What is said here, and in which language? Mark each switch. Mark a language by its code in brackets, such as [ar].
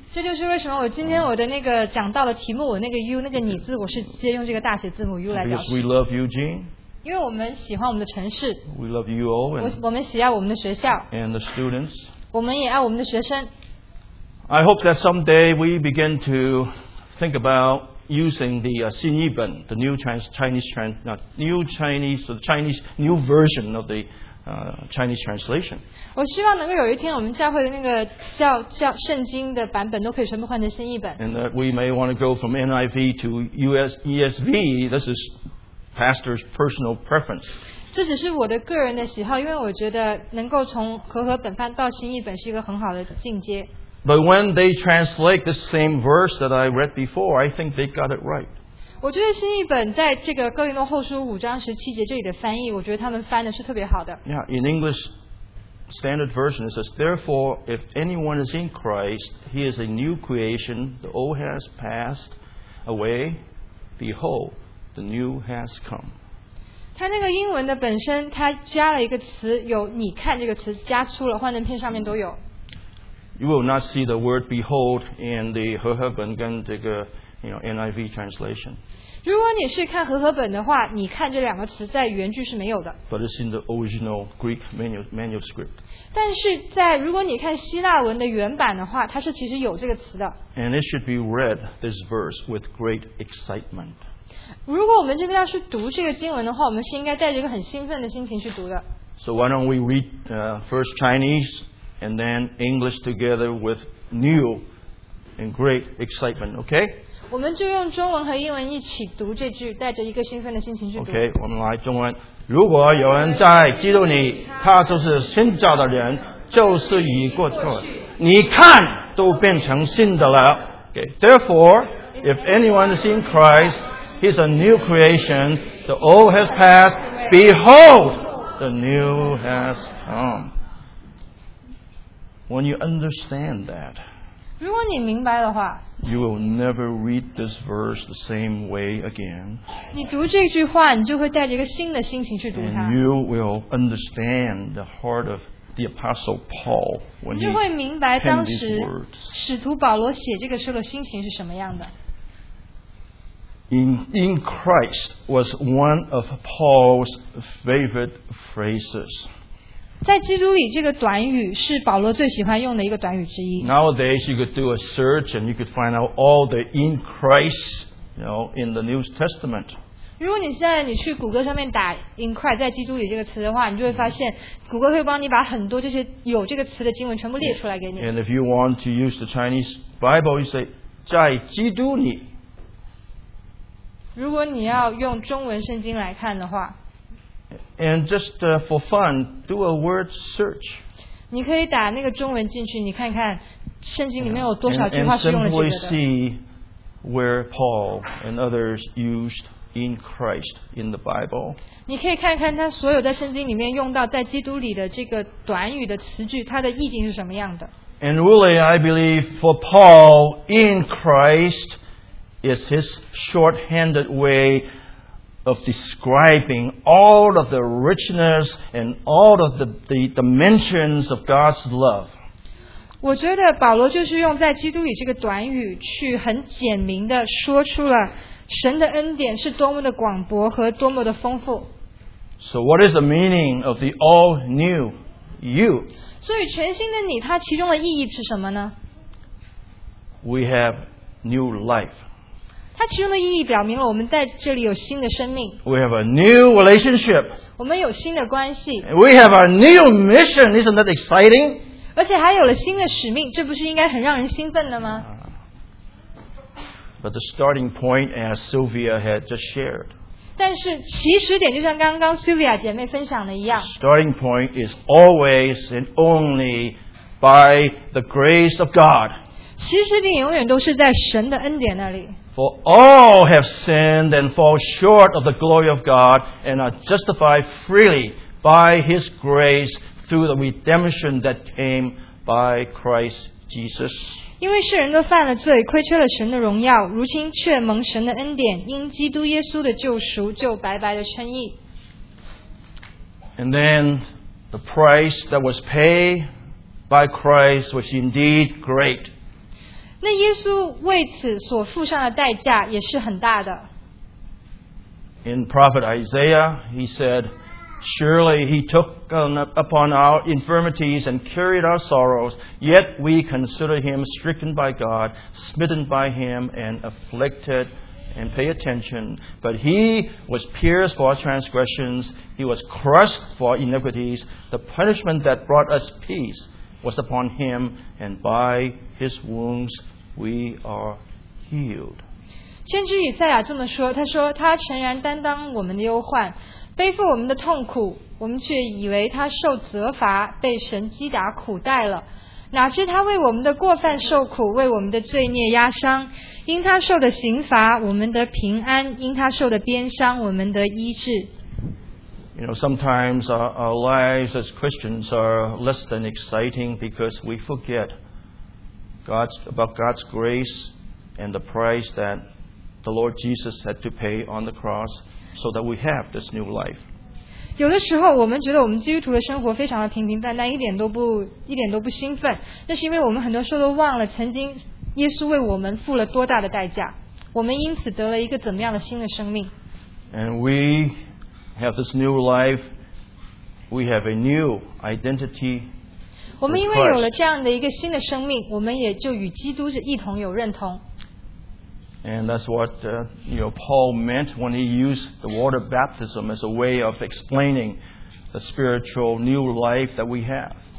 [zh] 这就是为什么我今天我的那个讲到的题目，我那个 U 那个你字，我是直接用这个大写字母 U 来表示。 [en] Because we love Eugene. [zh] 因为我们喜欢我们的城市。 [en] We love UO. [zh] 我们喜爱我们的学校。 [en] And the students. [zh] 我们也爱我们的学生。 [en] I hope that someday we begin to think about using the 新译本 the New Chinese New version of the。 Chinese translation. [zh] 我希望能够有一天，我们教会的那个叫圣经的版本都可以全部换成新译本。 [en] And that we may want to go from NIV to ESV. This is pastor's personal preference. [zh] 这只是我的个人的喜好，因为我觉得能够从和合本翻到新译本是一个很好的进阶。 [en] But when they translate the same verse that I read before, I think they got it right. [zh] 我觉得新译本在这个哥林多后书五章十七节这里的翻译，我觉得他们翻的是特别好的。 [en] Yeah, in English standard version it says, "Therefore, if anyone is in Christ, he is a new creation. The old has passed away. Behold, the new has come." [zh] 他那个英文的本身，他加了一个词，有“你看”这个词加粗了，幻灯片上面都有。 [en] You will not see the word "behold" in the 和合本跟这个。 You know, NIV translation. [zh] 如果你是看和合本的话，你看这两个词在原句是没有的。 [en] But it's in the original Greek manuscript. [zh] 但是在如果你看希腊文的原版的话，它是其实有这个词的。 [en] And it should be read this verse with great excitement. [zh] 如果我们真的要去读这个经文的话，我们是应该带着一个很兴奋的心情去读的。 [en] So why don't we read first Chinese and then English together with new and great excitement, okay? [zh] 我们就用中文和英文一起读这句，带着一个兴奋的心情去读。 OK， 我们来中文。如果有人在基督里，他就是新造的人，旧事已过去，你看都变成新的了。 [en] OK， therefore, if anyone is in Christ, he is a new creation. The old has passed. Behold, the new has come. When you understand that. [zh] 如果你明白的话 [en] ，You will never read this verse the same way again. [zh] 你读这句话，你就会带着一个新的心情去读它。 [en] And you will understand the heart of the Apostle Paul when he [zh] 就会明白当时使徒保罗写这个书的心情是什么样的。 [en] In Christ was one of Paul's favorite phrases. [zh] 在基督里这个短语是保罗最喜欢用的一个短语之一。 [en] Nowadays you could do a search and you could find out all the in Christ, you know, in the New Testament. [zh] 如果你现在你去谷歌上面打 in Christ 在基督里这个词的话，你就会发现谷歌会帮你把很多这些有这个词的经文全部列出来给你。 [en] And if you want to use the Chinese Bible, you say 在基督里。 [zh] 如果你要用中文圣经来看的话， [en] And just for fun, do a word search. [zh] 你可以打那个中文进去，你看看圣经里面有多少句话是用了这个的。 [en] And simply see where Paul and others used in Christ in the Bible. [zh] 你可以看看他所有在圣经里面用到在基督里的这个短语的词句，它的意境是什么样的。 [en] And really, I believe for Paul in Christ,is his shorthanded way of describing all of the richness and all of the dimensions of God's love. [zh] 我觉得保罗就是用在基督里这个短语去很简明的说出了神的恩典是多么的广博和多么的丰富。 [en] So what is the meaning of the all new you? [zh] 所以全新的你它其中的意义是什么呢？ [en] We have new life. [zh] 它其中的意义表明了我们在这里有新的生命。 [en] We have a new relationship. [zh] 我们有新的关系。 [en] We have a new mission. Isn't that exciting? [zh] 而且还有了新的使命，这不是应该很让人兴奋的吗？ [en] But the starting point, as Sylvia had just shared. [zh] 但是起始点就像刚刚 Sylvia 姐妹分享的一样。 [en] Starting point is always and only by the grace of God. [zh] 起始点永远都是在神的恩典那里。 [en] For all have sinned and fall short of the glory of God and are justified freely by His grace through the redemption that came by Christ Jesus. [zh] 因为世人都犯了罪，亏缺了神的荣耀，如今却蒙神的恩典，因基督耶稣的救赎，就白白的称义。 [en] And then the price that was paid by Christ was indeed great. [zh] 那耶稣为此所付上的代价也是很大的。 [en] In prophet Isaiah, he said, Surely he took upon our infirmities and carried our sorrows, yet we consider him stricken by God, smitten by him, and afflicted, and pay attention. But he was pierced for our transgressions, he was crushed for our iniquities, the punishment that brought us peace. Was upon him, and by his wounds we are healed. [zh] 先知以赛亚这么说，他说他诚然担当我们的忧患，背负我们的痛苦，我们却以为他受责罚，被神击打苦待了。哪知他为我们的过犯受苦，为我们的罪孽压伤。因他受的刑罚，我们得平安；因他受的鞭伤，我们得医治。 [en] You know, sometimes our lives as Christians are less than exciting because we forget about God's grace and the price that the Lord Jesus had to pay on the cross so that we have this new life. [zh] 有的时候我们觉得我们基督徒的生活非常的平平淡淡，一点都不兴奋，那是因为我们很多时候都忘了曾经耶稣为我们付了多大的代价，我们因此得了一个怎么样的新的生命。 [en] And we... have this new life, we have a new identity. [zh] 我们因为有了这样的一个新的生命，我们也就与基督是一同有认同。 [en] And that's what you know, Paul meant when he used the water baptism as a way of explaining the spiritual new life that we have.